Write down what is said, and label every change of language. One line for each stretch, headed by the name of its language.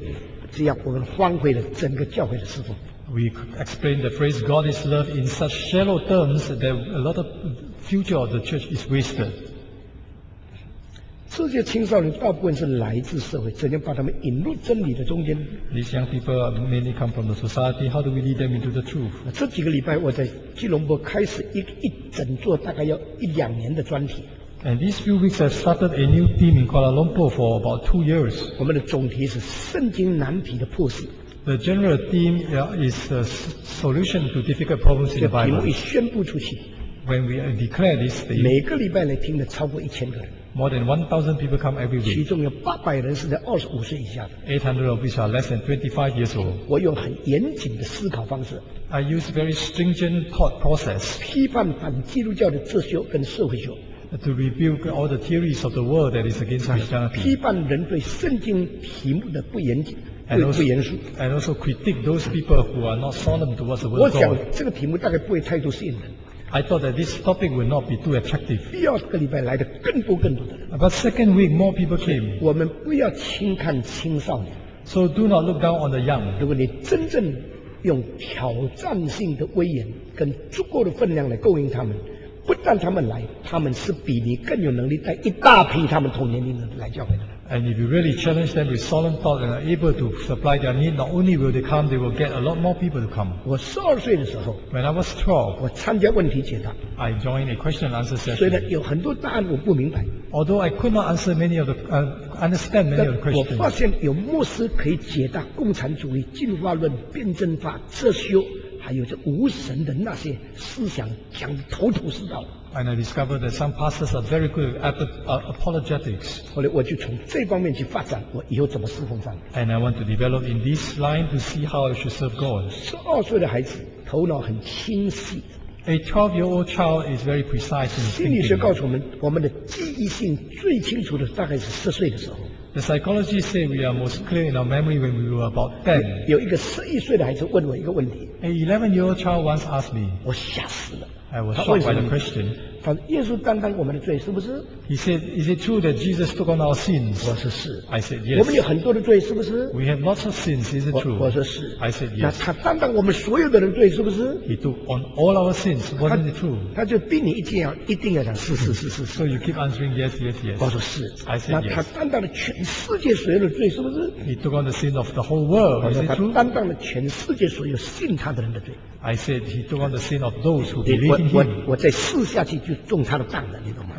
Chinese: 我们对上帝就是爱解释得太肤浅了，结果就因为这样，我们荒废了整个教会的侍奉。
English: We explain the phrase God is love in such shallow terms that a lot of future of the church is wasted.
Chinese: 这些青少年大部分是来自社会，怎样把他们引入真理的中间？
English: These young people mainly come from the society. How do we lead them into the truth?
Chinese: 这几个礼拜我在吉隆坡开始一整座大概要一两年的专题。
English: And these few weeks I've started a new team in Kuala Lumpur for about 2 years.
Chinese: 我们的总题是圣经难题的剖析。
English: The general theme is a solution to difficult problems in the Bible.
Chinese: 这题目一宣布出去，
English: When we declare this theme,
Chinese: 每个礼拜来听的超过1000个人。
English: More than 1,000 people come every week.
Chinese: 其中有800人是在25岁以下的。
English: 800 of which are less than 25 years old.
Chinese: 我用很严谨的思考方式。
English: I use very stringent thought process.
Chinese: 批判反基督教的哲学跟社会学。
English: To rebuke all the theories of the world that is against Christianity.
Chinese: 批判人对圣经题目的不严谨。
English: And also critique those people who are not solemn towards the word of God.
Chinese: 我想这个题目大概不会太多吸引人。
English: I thought that this topic would not be too attractive.
Chinese: 第二个礼拜来的更多更多的人。
English: But second week, more people came.
Chinese: 我们不要轻看青少年。
English: So do not look down on the young.
Chinese: 如果你真正用挑战性的威严跟足够的分量来供应他们，不但他们来，他们是比你更有能力带一大批他们同年龄的来教会的。
English: And if you really challenge them with solemn thought and are able to supply their need, not only will they come, they will get a lot more people to come.
Chinese: 我12岁的时候
English: ，When I was 12,
Chinese: 我参加问题解答
English: ，I joined a question and answer session.
Chinese: 虽然有很多答案我不明白
English: ，Although I could not answer many of the understand many of the questions.
Chinese: 但我发现有牧师可以解答共产主义、进化论、辩证法、哲学，还有这无神的那些思想讲得头头是道。
English: And I discovered that some pastors are very good at apologetics.
Chinese: 后来我就从这方面去发展，我以后怎么侍奉上。
English: And I want to develop in this line to see how I should serve God.
Chinese: 12岁的孩子头脑很清晰。
English: A 12-year-old child is very precise in thinking.
Chinese: 心理学告诉我们，我们的记忆性最清楚的大概是10岁的时候。
English: The psychology say we are most clear in our memory when we were about 10.
Chinese: 有一个11岁的孩子问我一个问题。
English: A 11-year-old child once asked me.
Chinese: 我吓死了。
English: I was shocked by the question.
Chinese: 他说：“耶稣担当我们的罪，是不是？”
English: He said, "Is it true that Jesus took on our sins?"
Chinese: 我说是。
English: I said, "Yes."
Chinese: 我们有很多的罪，是不是？
English: We have lots of sins. Is it true?
Chinese: 我说是。
English: I said, "Yes."
Chinese: 那他担当我们所有的人罪，是不是？
English: He took on all our sins. Wasn't it true?
Chinese: 他就逼你一定要讲是是是是是。
English: So you keep answering yes, yes, yes.
Chinese: 我说是。
English: I said, "Yes."
Chinese: 那他担当了全世界所有的罪，是不是？
English: He took on the sin of the whole world. Is it true?
Chinese: 他担当了全世界所有信他的人的罪。
English: I said he took on the sin of those who believe in him.
Chinese: 我再试下去就中他的当了，你懂吗？